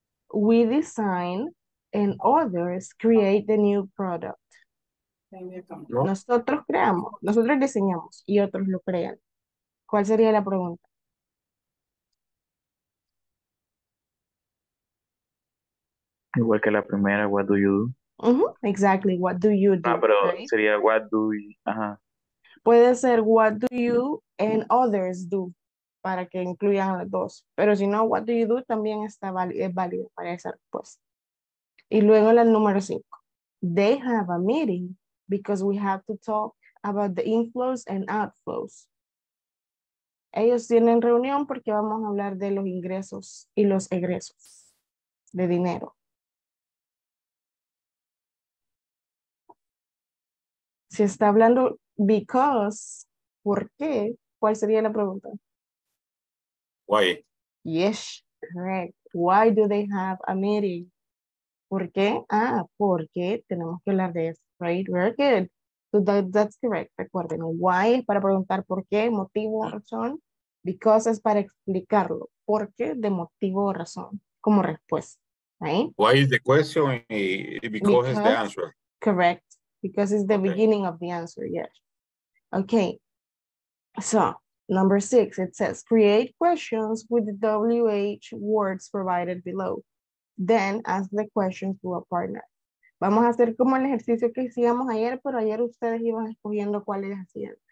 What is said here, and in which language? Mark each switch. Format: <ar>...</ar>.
<en>We design and others create the new product.</en> <es>Nosotros creamos, nosotros diseñamos y otros lo crean. ¿Cuál sería la pregunta? Igual que la primera,</es> <en>what do you do? Uh-huh. Exactly, what do you do?</en> <es>Ah, pero right? Sería</es> <en>what do you,</en> <es>ajá. Puede ser</es> <en>what do you and others do,</en> <es>para que incluyan a los dos. Pero si no,</es> <en>what do you do</en> <es>también está válido para esa respuesta. Y luego la número cinco.</es> <en>They have a meeting because we have to talk about the inflows and outflows.</en> <es>Ellos tienen reunión porque vamos a hablar de los ingresos y los egresos de dinero. Si está hablando because, ¿por qué? ¿Cuál sería la pregunta?</es> <en>Why? Yes, correct. Why do they have a meeting?</en> <es>¿Por qué? Ah, porque tenemos que hablar de eso, right?</es> <en>Very good. So that's correct.</en> <es>Recuerden, why es para preguntar por qué, motivo, razón. Because es para explicarlo. ¿Por qué? De motivo o razón. Como respuesta, right?</es> <en>Why is the question? Because is the answer. Correct. Because it's the okay. Beginning of the answer, yes. Okay. So, number six, it says, create questions with the WH words provided below. Then, ask the questions to a partner.</en> <es>Vamos a hacer como el ejercicio que hacíamos ayer, pero ayer ustedes iban escogiendo cuáles hacían.</es>